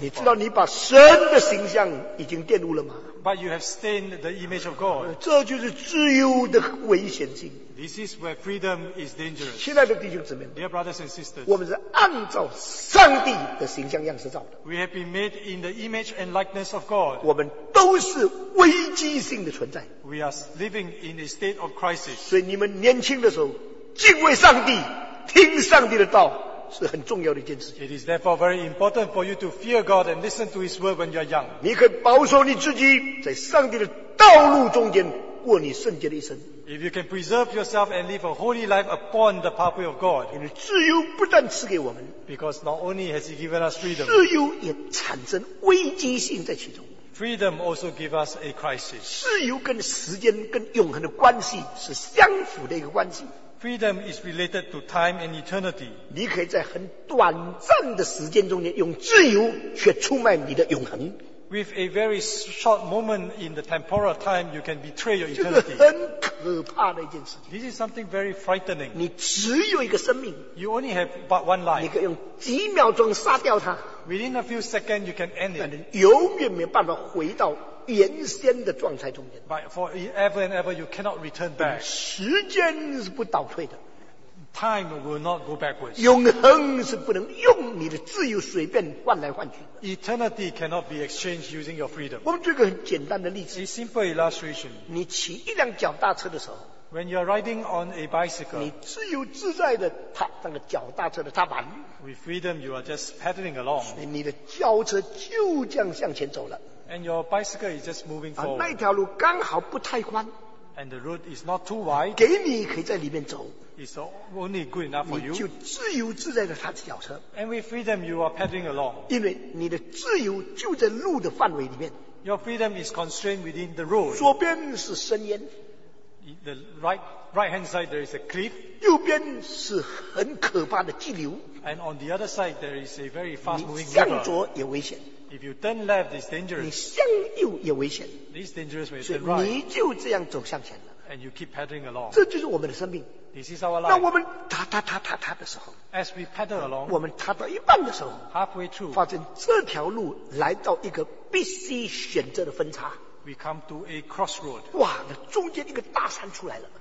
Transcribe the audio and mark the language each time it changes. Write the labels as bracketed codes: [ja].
[zh] 你知道你把神的形象已经玷污了吗？ [en] But you have stained the image of God. [zh] 这就是自由的危险性。 [en] This is where freedom is dangerous. [zh] 亲爱的弟兄姊妹 [en] Dear brothers and sisters, [zh] 我们是按照上帝的形象样式造的。 [en] We have been made in the image and likeness of God. [zh] 我们都是危机性的存在。 [en] We are living in a state of crisis. [zh] 所以你们年轻的时候，敬畏上帝，听上帝的道。是很重要的一件事情。 [en] It is therefore very important for you to fear God and listen to His word when you are young. [zh] 你可以保守你自己在上帝的道路中间过你圣洁的一生。 [en] If you can preserve yourself and live a holy life upon the pathway of God. [zh] 因为自由不但赐给我们。 [en] Because not only has He given us freedom. [zh] 自由也产生危机性在其中。 [en] Freedom also gives us a crisis. [zh] 自由跟时间跟永恒的关系是相符的一个关系。 [en] Freedom is related to time and eternity. [zh] 你可以在很短暂的时间中间用自由却出卖你的永恒。 [en] With a very short moment in the temporal time, you can betray your eternity. [zh] 这是很可怕的一件事情。 [en] This is something very frightening. [zh] 你只有一个生命。 [en] You only have but one life. [zh] 你可以用几秒钟杀掉它。 [en] Within a few seconds, you can end it. [zh] 但你永远没办法回到原先的状态中间。 [en] But forever and ever, you cannot return back. [zh] 时间是不倒退的。 [en] Time will not go backwards. [zh] 永恒是不能用你的自由随便换来换去。 [en] Eternity cannot be exchanged using your freedom. [zh] 我们举个很简单的例子。 [en] A simple illustration. [zh] 你骑一辆脚踏车的时候。 [en] When you are riding on a bicycle, [zh] 你自由自在的踏那个脚踏车的踏板。 [en] With freedom, you are just pedaling along. [zh] 所以你的轿车就这样向前走了。 [en] And your bicycle is just moving forward. [zh] 那条路刚好不太宽。 [en] And the road is not too wide. [zh] 给你可以在里面走。 [en] It's only good enough for you. [zh] 你就自由自在的踏着脚车。 [en] And with freedom, you are pedaling along. [zh] 因为你的自由就在路的范围里面。 [en] Your freedom is constrained within the road. [zh] 左边是深渊。 [en] The right hand side there is a cliff. [zh] 右边是很可怕的激流。 [en] And on the other side there is a very fast moving river. [zh] 你向左也危险。 [en] If you turn left, it's dangerous. [zh] 你向右也危险。 [en] This dangerous way turn right. [zh] 你就这样走向前了。 [en] And you keep paddling along. [zh] 这就是我们的生命。 [en] This is our life. [zh] 那我们踏踏踏踏踏的时候 [en] ，As we paddle along, [zh] 我们踏到一半的时候 [en] ，Halfway through, [zh] 发现这条路来到一个必须选择的分叉。 [en] We come to a crossroad. [zh] 哇，那中间一个大山出来了。